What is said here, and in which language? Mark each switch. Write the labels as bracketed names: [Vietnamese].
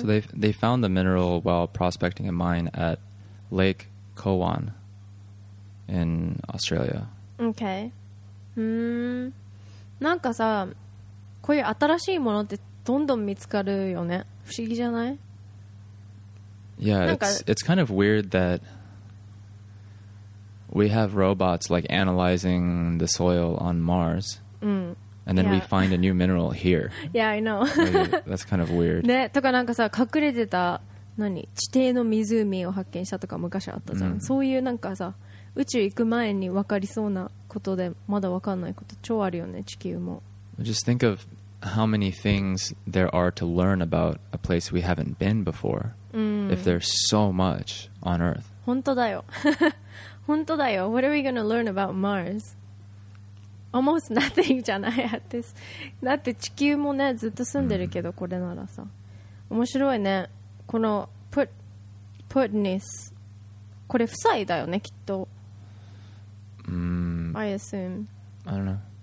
[English] So they found the mineral while prospecting a mine at Lake Kowan in Australia. Okay. [Japanese] なんかさ、こういう新しいものってどんどん見つかるよね。不思議じゃない? [English] Yeah, it's kind of weird that we have robots like analyzing the soil on Mars. And then we find a new mineral here. Yeah, I know. Like, that's kind of weird. [Japanese] ね、とかなんかさ、隠れてた何地底の湖を発見したとか昔あったじゃん。 Mm. そういうなんかさ、宇宙行く前に分かりそうなことでまだ分かんないこと超あるよね、地球も。 [English] Just think of how many things there are to learn about a place we haven't been before. If there's so much on Earth. [Japanese] 本当だよ。本当だよ。 [English] What are we going to learn about Mars? Almost nothing [Japanese] じゃない [English] at this. [Japanese] だって地球もね、ずっと住んでるけど、これならさ。面白いね。この Putness。これ夫妻だよね、きっと。 [English] I assume. I don't know.